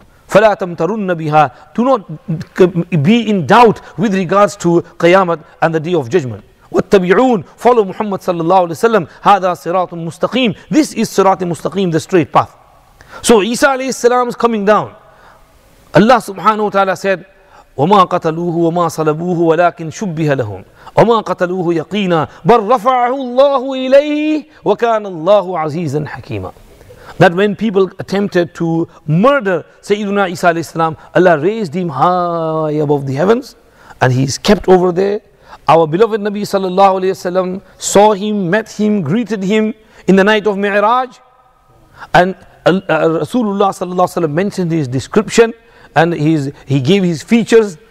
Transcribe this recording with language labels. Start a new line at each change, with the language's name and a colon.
Arabic: فَلَا تَمْتَرُنَّ بِهَا.
English: Do not be in doubt with regards to Qiyamah and the Day of Judgment. والتبعون, follow Muhammad sallallahu alayhi wa sallam,
Arabic: هذا صراط مستقيم.
English: This is صراط مستقيم, the straight path. So Isa alayhi salam is coming down.
Arabic: Allah subhanahu wa ta'ala said, وَمَا قَتَلُوهُ وَمَا صَلَبُوهُ وَلَكِنْ شُبِّهَ لَهُمْ وَمَا قَتَلُوهُ يَقِينًا بَلْ رَفَعَهُ اللَّهُ إِلَيْهِ وَكَانَ اللَّهُ عَزِيزًا حَكِيمًا.
English: That when people attempted to murder Sayyiduna Isa alayhi salam, Allah raised him high above the heavens, and he is kept over there. Our beloved Nabi sallallahu alayhi wa sallam saw him, met him, greeted him in the night of Mi'raj. And Rasulullah sallallahu alayhi wa sallam mentioned his description, and he gave his features.